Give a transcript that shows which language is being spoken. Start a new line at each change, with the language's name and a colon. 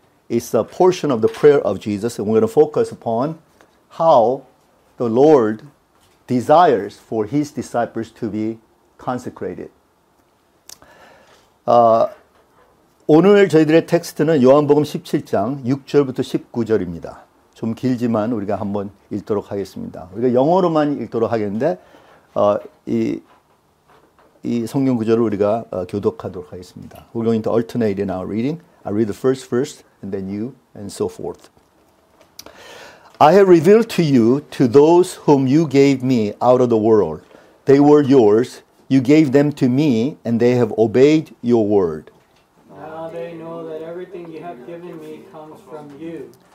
English: It's a portion of the prayer of Jesus, and we're going to focus upon how the Lord desires for His disciples to be consecrated.
Korean: 오늘 저희들의 텍스트는 요한복음 17장 6절부터 19절입니다. 좀 길지만 우리가 한번 읽도록 하겠습니다. 우리가 영어로만 읽도록 하겠는데 이 성경 구절을 우리가 교독하도록 하겠습니다.
English: We're going to alternate in our reading. I read the first verse, and then you, and so forth. I have revealed to you to those whom you gave me out of the world. They were yours. You gave them to me, and they have obeyed your word. Now they know that everything you have given me comes from you.